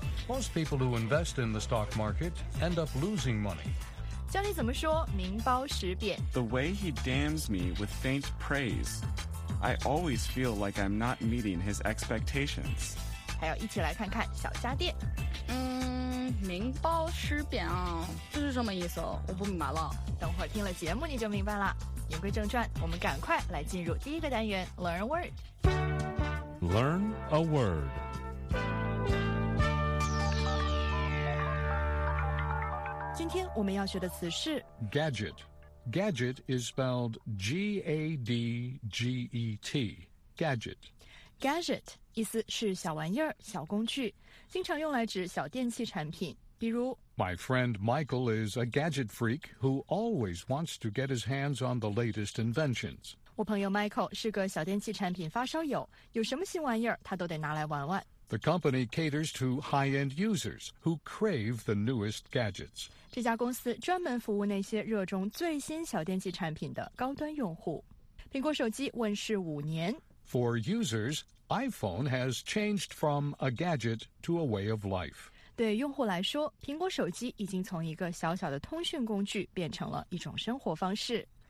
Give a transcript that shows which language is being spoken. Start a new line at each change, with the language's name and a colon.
English: Most people who invest in the stock market end up losing money.
Chinese: 教你怎么说名包实贬。
English: The way he damns me with faint praise, I always feel like I'm not meeting his expectations.
Chinese: 还要一起来看看小家电。名包实贬啊，这是什么意思？我不明白了。等会儿听了节目你就明白了。言归正传，我们赶快来进入第一个单元 ，
English: Learn a word。 Learn a word。
Chinese: 今天我们要学的词是
English: gadget。 Gadget is spelled G-A-D-G-E-T. Gadget.
Chinese: Gadget 意思是小玩意儿、小工具，经常用来指小电器产品。比如
English: My friend Michael is a gadget freak who always wants to get his hands on the latest inventions.
Chinese: 我朋友 Michael 是个小电器产品发烧友，有什么新玩意儿他都得拿来玩玩。
English: The company caters to high-end users who crave the newest gadgets.
Chinese: 这家公司专门服务那些热衷最新小电器产品的高端用户。苹果手机问世五年。
English: For users, iPhone has changed from a gadget to a way of life.
Chinese: 对用户来说，苹果手机已经从一个小小的通讯工具变成了一种生活方式。